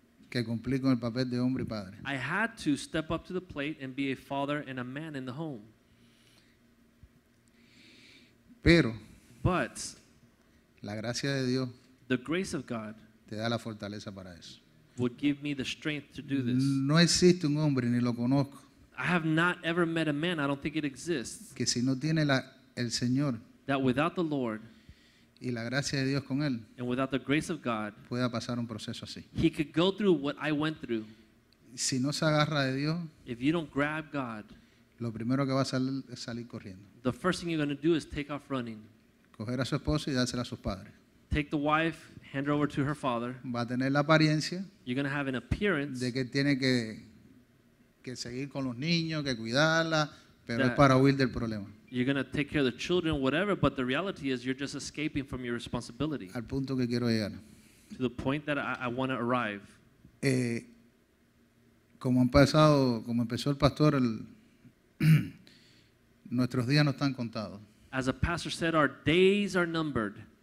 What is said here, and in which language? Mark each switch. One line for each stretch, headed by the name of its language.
Spanish: Que cumplir con el papel de hombre y padre.
English: I had to step up to the plate and be a father and a man in the home.
Spanish: Pero.
English: But.
Spanish: La gracia de Dios.
English: The grace of God.
Spanish: Te da la fortaleza para eso.
English: Would give me the strength to do this.
Spanish: No existe un hombre, ni lo conozco.
English: I have not ever met a man. I don't think it exists.
Spanish: Que si no tiene el Señor.
English: That without the Lord.
Spanish: Y la gracia de Dios con él.
English: And without the grace of God.
Spanish: Pueda pasar un proceso así.
English: He could go through what I went through.
Spanish: Si no se agarra de Dios.
English: If you don't grab God.
Spanish: Lo primero que va a salir es salir corriendo.
English: The first thing you're going to do is take off running.
Spanish: Coger a su esposa y dársela a sus padres.
English: Take the wife, hand her over to her father.
Spanish: Va a tener la apariencia.
English: You're going to have an appearance.
Spanish: De que tiene que seguir con los niños, que cuidarla, pero es para huir del problema.
English: You're going to take care of the children, whatever, but the reality is you're just escaping from your responsibility.
Spanish: Al punto que quiero llegar.
English: To the point that I want to arrive.
Spanish: Como empezó el pastor, nuestros días no están contados.
English: As a pastor said, our days are numbered.